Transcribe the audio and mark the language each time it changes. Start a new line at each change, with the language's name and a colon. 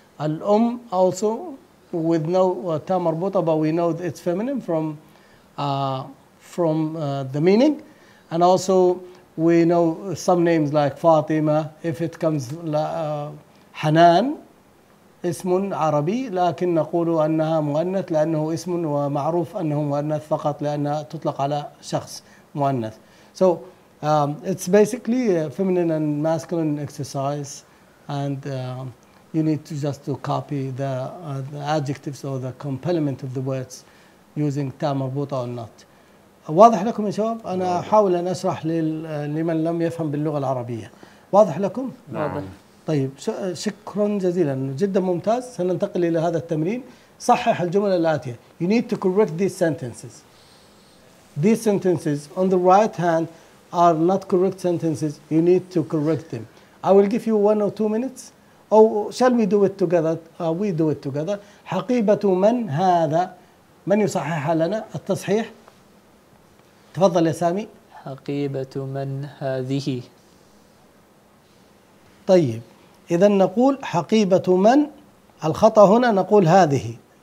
English: Al-um also with no ta marbuta, but we know it's feminine from the meaning. And also we know some names like Fatima, if it comes Hanan,
Arabic: اسم عربي لكن نقول أنها مؤنث لأنه اسم ومعروف أنه مؤنث فقط لأنها تطلق على شخص مؤنث.
English: So it's basically a feminine and masculine exercise, and you need to just to copy the adjectives or the complement of the words using
Arabic: تاء مربوطة
English: or not.
Arabic: واضح لكم يا شباب؟ أنا أحاول أن أشرح لمن لم يفهم باللغة العربية. واضح لكم؟ نعم. طيب شكرا جزيلا جدا ممتاز. سننتقل إلى هذا التمرين. صحح الجملة الآتية.
English: You need to correct these sentences. These sentences on the right hand are not correct sentences. You need to correct them. I will give you 1 or 2 minutes. Oh, shall we do it together? We do it together.
Arabic: حقيبة من هذا؟ من يصحح لنا التصحيح؟ تفضل يا سامي. حقيبة من هذه؟ طيب إذا نقول حقيبة من، الخطأ هنا نقول هذه.